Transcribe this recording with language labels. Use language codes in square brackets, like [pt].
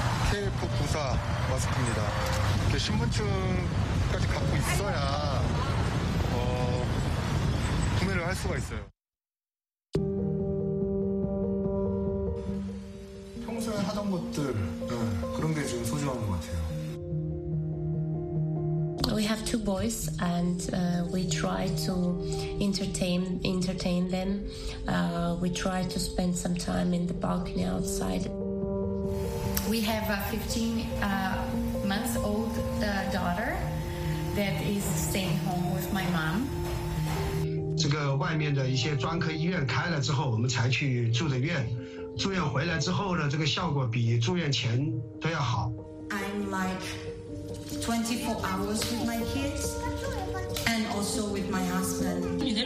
[ko] 케이프구사 마스크입니다. 이렇게 신분증까지 갖고 있어야 구매를 할 수가 있어요. 평소에 하던 것들 그런 게 지금 소중한 것 같아요. [en] We have two boys, and we try to entertain them. We try to spend some time in the balcony outside. We have a 15-month-old daughter that is staying home with my mom. [zh] 这个外面的一些专科医院开了之后，我们才去住的院。住院回来之后呢，这个效果比住院前都要好。 [en] I'm like 24 hours with my kids and also with my husband.